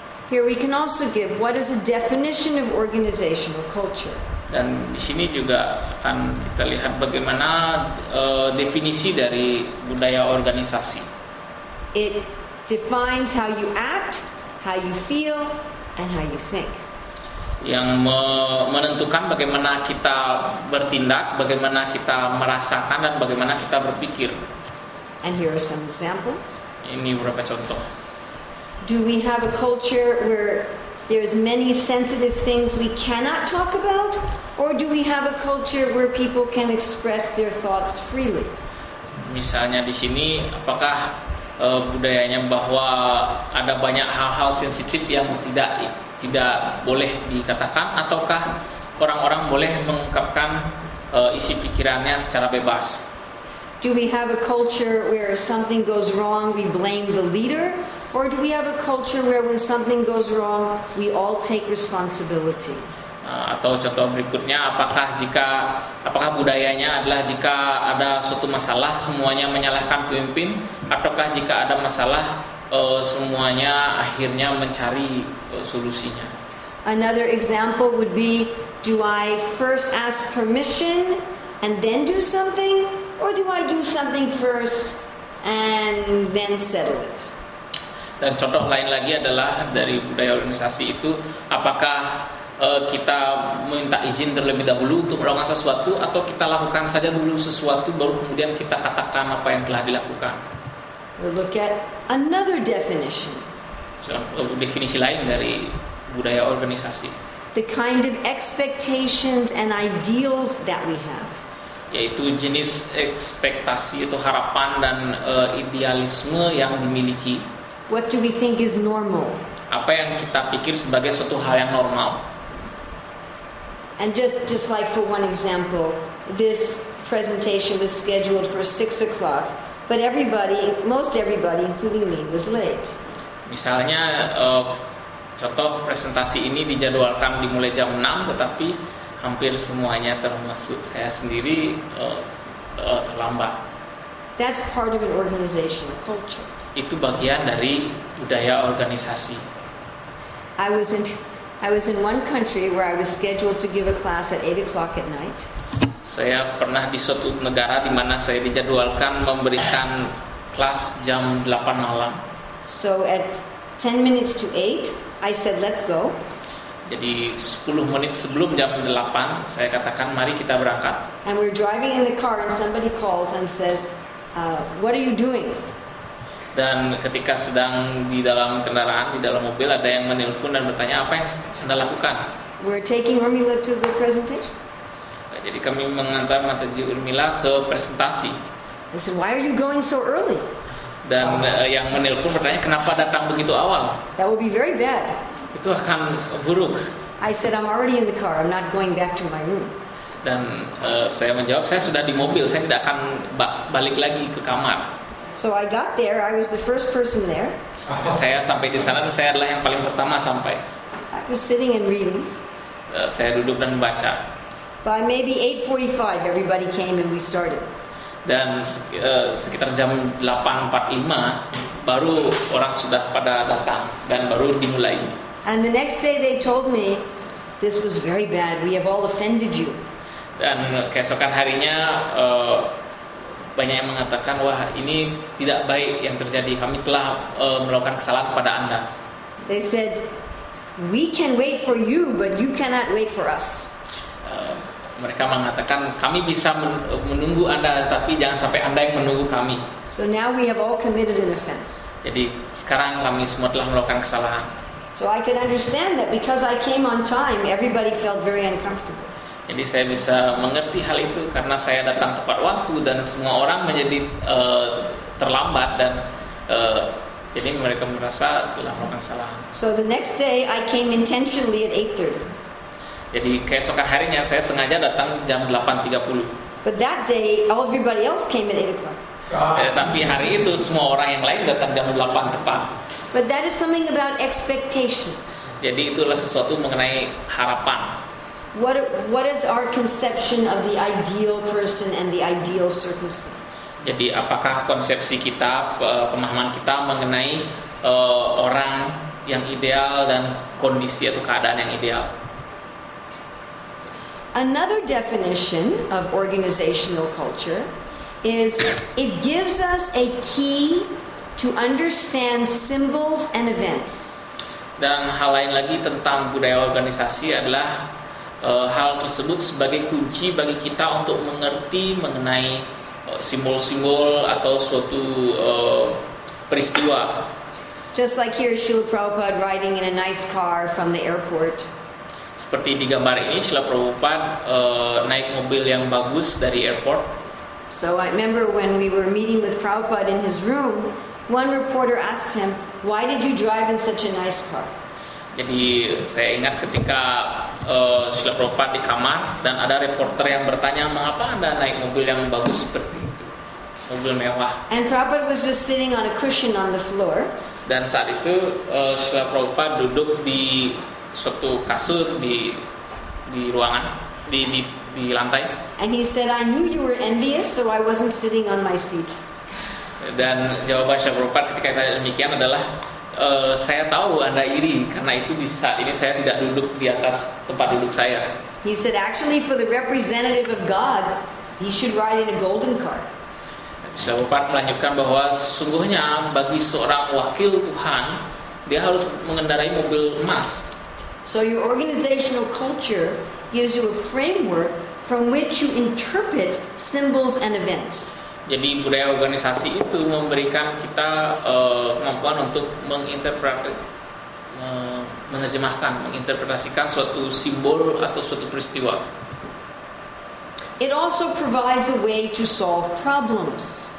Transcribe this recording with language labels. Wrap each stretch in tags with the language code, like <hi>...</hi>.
<en>Here we can also give what is the definition of organizational culture.</en> <id>Dan di sini juga akan kita lihat bagaimana definisi dari budaya organisasi.</id> <en>It defines how you act, how you feel, and how you think.</en> <id>Yang menentukan bagaimana kita bertindak, bagaimana kita merasakan, dan bagaimana kita berpikir.</id> <en>And here are some examples.</en> <id>Ini beberapa contoh.</id> <en>Do we have a culture where there's many sensitive things we cannot talk about, or do we have a culture where people can express their thoughts freely?</en> <id>Misalnya di sini, apakah budayanya bahwa ada banyak hal-hal sensitif yang tidak boleh dikatakan, ataukah orang-orang boleh mengungkapkan isi pikirannya secara bebas?</id> <en>Do we have a culture where something goes wrong, we blame the leader? Or do we have a culture where when something goes wrong, we all take responsibility?</en> <id>Atau contoh berikutnya, apakah budayanya adalah jika ada suatu masalah semuanya menyalahkan pemimpin, ataukah jika ada masalah semuanya akhirnya mencari solusinya?</id> <en>Another example would be, do I first ask permission and then do something, or do I do something first and then settle it?</en> <id>Dan contoh lain lagi adalah dari budaya organisasi itu, apakah kita minta izin terlebih dahulu untuk melakukan sesuatu, atau kita lakukan saja dulu sesuatu baru kemudian kita katakan apa yang telah dilakukan.</id> <en>We'll look at another definition.</en> <id>Definisi lain dari budaya organisasi.</id> <en>The kind of expectations and ideals that we have.</en> <id>Yaitu jenis ekspektasi atau harapan dan idealisme yang dimiliki.</id> <en>What do we think is normal?</en> <id>Apa yang kita pikir sebagai suatu hal yang normal?</id> <en>And just like for one example, this presentation was scheduled for 6 o'clock, but most everybody, including me, was late.</en> <id>Misalnya, contoh presentasi ini dijadwalkan dimulai jam 6, tetapi hampir semuanya termasuk saya sendiri terlambat.</id> <en>That's part of an organizational culture.</en> <id>Itu bagian dari budaya organisasi.</id> <en>I was in one country where I was scheduled to give a class at 8 o'clock at night.</en> <id>Saya pernah di suatu negara di mana saya dijadwalkan memberikan kelas jam 8 malam.</id> <en>So at 8:10, I said let's go.</en> <id>Jadi 10 menit sebelum jam 8, saya katakan mari kita berangkat.</id> <en>And we're driving in the car and somebody calls and says, what are you doing?</en> <id>Dan ketika sedang di dalam kendaraan, di dalam mobil, ada yang menelpon dan bertanya apa yang Anda lakukan.</id> <en>We're taking Urmila to the presentation.</en> <id>Nah, jadi kami mengantar Mataji Urmila ke presentasi.</id> <en>I said, why are you going so early?</en> <id>Dan yang menelpon bertanya kenapa datang begitu awal.</id> <en>That would be very bad.</en> <id>Itu akan buruk.</id> <en>I said, I'm already in the car. I'm not going back to my room.</en> <id>Dan saya menjawab, saya sudah di mobil. Saya tidak akan balik lagi ke kamar.</id> <en>So I got there. I was the first person there.</en> <id>Saya sampai di sana dan saya adalah yang paling pertama sampai.</id> <en>I was sitting and reading.</en> <id>Saya duduk dan membaca.</id> <en>By maybe 8:45, everybody came and we started.</en> <id>Dan sekitar jam 8:45 baru orang sudah pada datang dan baru dimulai.</id> <en>And the next day they told me this was very bad. We have all offended you.</en> <id>Dan keesokan harinya. Banyak yang mengatakan, wah ini tidak baik yang terjadi, kami telah melakukan kesalahan kepada Anda.</id> <en>They said, we can wait for you, but you cannot wait for us.</en> <id>Mereka mengatakan, kami bisa menunggu Anda, tapi jangan sampai Anda yang menunggu kami.</id> <en>So now we have all committed an offense.</en> <id>Jadi sekarang kami semua telah melakukan kesalahan.</id> <en>So I can understand that because I came on time, everybody felt very uncomfortable.</en> <id>Jadi saya bisa mengerti hal itu karena saya datang tepat waktu dan semua orang menjadi terlambat dan jadi mereka merasa telah melakukan kesalahan.</id> <en>So the next day I came intentionally at 8:30.</en> <id>Jadi keesokan harinya saya sengaja datang jam 8:30.</id> <en>But that day everybody else came at 8:00.</en> <id>Tapi hari itu semua orang yang lain datang jam 8 tepat.</id> <en>But that is something about expectations.</en> <id>Jadi itulah sesuatu mengenai harapan.</id> <en>What is our conception of the ideal person and the ideal circumstance?</en> <id>Jadi apakah konsepsi kita, pemahaman kita mengenai orang yang ideal dan kondisi atau keadaan yang ideal.</id> <en>Another definition of organizational culture is it gives us a key to understand symbols and events.</en> <id>Dan hal lain lagi tentang budaya organisasi adalah hal tersebut sebagai kunci bagi kita untuk mengerti mengenai simbol-simbol atau suatu peristiwa.</id> <en>Just like here, Srila Prabhupada riding in a nice car from the airport.</en> <id>Seperti di gambar ini, Srila Prabhupada naik mobil yang bagus dari airport.</id> <en>So I remember when we were meeting with Prabhupada in his room, one reporter asked him, "Why did you drive in such a nice car?"</en> <id>Jadi saya ingat ketika Srila Prabhupada di kamar dan ada reporter yang bertanya, "Mengapa Anda naik mobil yang bagus seperti itu, mobil mewah?"</id> <en>And Prabhupada was just sitting on a cushion on the floor.</en> <id>Dan saat itu Srila Prabhupada duduk di suatu kasur di ruangan di lantai.</id> <en>And he said, "I knew you were envious, so I wasn't sitting on my seat."</en> <id>Dan jawaban Srila Prabhupada ketika tanya demikian adalah, "Saya tahu Anda iri karena itu di saat ini saya tidak duduk di atas tempat duduk saya."</id> <en>He said, "Actually, for the representative of God, he should ride in a golden car."</en> <id>Srila Prabhupada melanjutkan bahwa sesungguhnya bagi seorang wakil Tuhan, dia harus mengendarai mobil emas.</id> <en>So your organizational culture gives you a framework from which you interpret symbols and events.</en> <id>Jadi budaya organisasi itu memberikan kita kemampuan untuk menginterpretasikan suatu simbol atau suatu peristiwa.</id> <en>It also provides a way to solve problems.</en>